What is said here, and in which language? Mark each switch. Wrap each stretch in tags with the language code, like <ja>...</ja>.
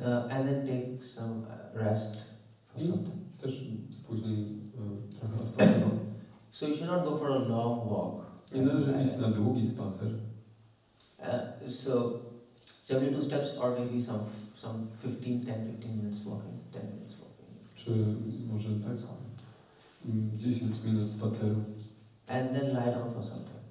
<en>And then take some rest for some time.</en> <pl>Też później trochę odpoczywał.</pl> <en>So you should not go for a long walk.</en> <pl>Nie należy iść na długi spacer.</pl> <en>So 72 steps or maybe some 10-15 minutes walking, 10 minutes walking.</en> <pl>Czy może tak? 10 minut spaceru.</pl> <en>And then lie down for some time.</en>